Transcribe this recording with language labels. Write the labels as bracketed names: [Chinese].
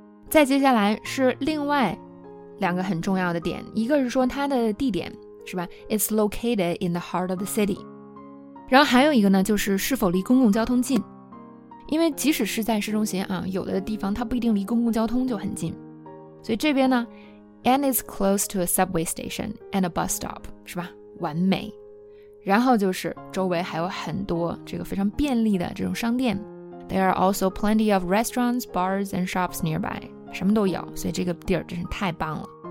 [Chinese] 再接下来是另外两个很重要的点，一个是说它的地点是吧 ？ [English] It's located in the heart of the city。 [Chinese] 然后还有一个呢，就是是否离公共交通近，因为即使是在市中心啊，有的地方它不一定离公共交通就很近，所以这边呢 [English] ，and it's close to a subway station and a bus stop， [Chinese] 是吧？完美。然后就是周围还有很多这个非常便利的这种商店 [English] There are also plenty of restaurants, bars, and shops nearby [Chinese] 什么都有，所以这个地儿真是太棒了